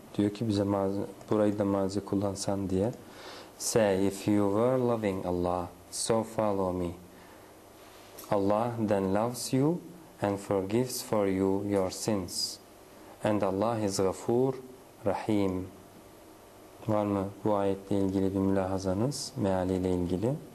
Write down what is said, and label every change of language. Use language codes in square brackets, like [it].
[tr] Diyor ki bize mazi, burayı da mazi kullansan diye. [en] Say, if you were loving Allah, so follow me. Allah then loves you and forgives for you your sins. And Allah is Ghafur, Rahim. [tr] Var mı bu ayetle ilgili bir mülahazanız, mealiyle ilgili?